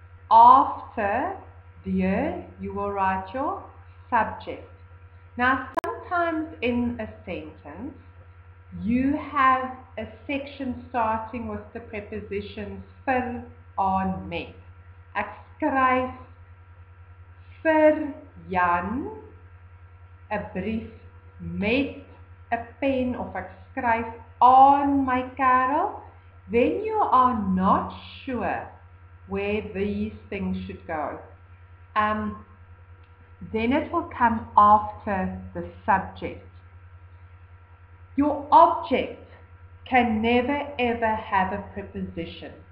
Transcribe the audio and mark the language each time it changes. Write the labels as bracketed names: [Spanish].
[English] After dier, you will write your subject. Now, sometimes in a sentence, you have a section starting with the prepositions vir, aan, met. [Afrikaans] Ek skryf vir Jan 'n brief met 'n pen, of ek skryf aan my kerel. [English] Then you are not sure where these things should go. Then it will come after the subject. Your object can never ever have a preposition.